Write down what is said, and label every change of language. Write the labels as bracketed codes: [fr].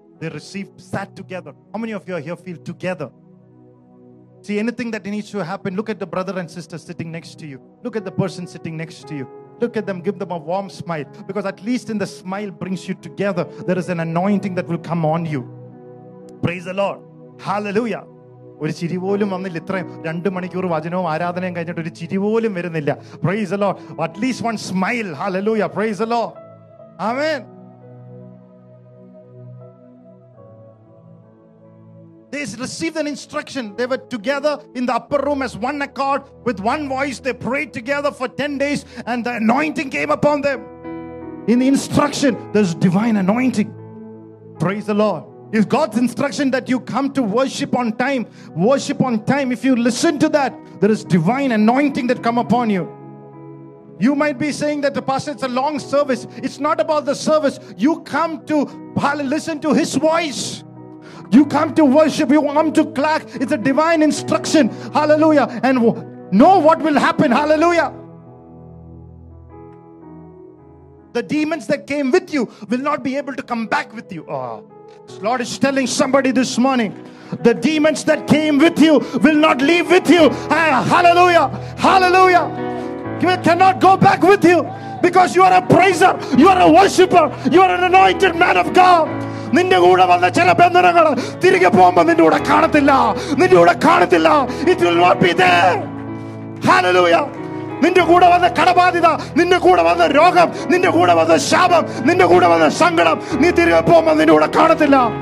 [en] They received, sat together. How many of you are here feel together? See, anything that needs to happen, look at the brother and sister sitting next to you. Look at the person sitting next to you. Look at them, give them a warm smile. Because at least in the smile brings you together, there is an anointing that will come on you. Praise the Lord. Hallelujah. [ml] ഒരു ചിരി പോലും വന്നില്ല ഇത്രയും രണ്ടു മണിക്കൂർ വചനവും ആരാധനയും കഴിഞ്ഞിട്ട് ഒരു ചിരി പോലും വരുന്നില്ല [en] praise the Lord at least one smile hallelujah praise the Lord [ml] amen [en] They received an instruction they were together in the upper room as one accord with one voice they prayed together for 10 days and the anointing came upon them in instruction there's divine anointing praise the Lord If God's instruction that you come to worship on time, if you listen to that, there is divine anointing that come upon you. You might be saying that the pastor, it's a long service. It's not about the service. You come to listen to his voice. You come to worship. You come to clack. It's a divine instruction. Hallelujah. And know what will happen. Hallelujah. The demons that came with you will not be able to come back with you. Oh. Lord is telling somebody this morning, the demons that came with you will not leave with you. Hallelujah. Hallelujah. You cannot go back with you because you are a praiser. You are a worshipper. You are an anointed man of God. [ml] നിന്റെ കൂടെ വന്ന ചില ബന്ധനങ്ങൾ തിരികെ പോകുമ്പോൾ നിന്റെ കൂടെ കാണത്തില്ല. നിന്റെ കൂടെ കാണത്തില്ല. [en] It will not be there. Hallelujah. [ml] നിന്റെ കൂടെ വന്ന കടബാധ്യത, നിന്റെ കൂടെ വന്ന രോഗം, നിന്റെ കൂടെ വന്ന ശാപം, നിന്റെ കൂടെ വന്ന സങ്കടം, നീ തിരികെ പോകുമ്പോൾ നിന്റെ കൂടെ കാണത്തില്ല.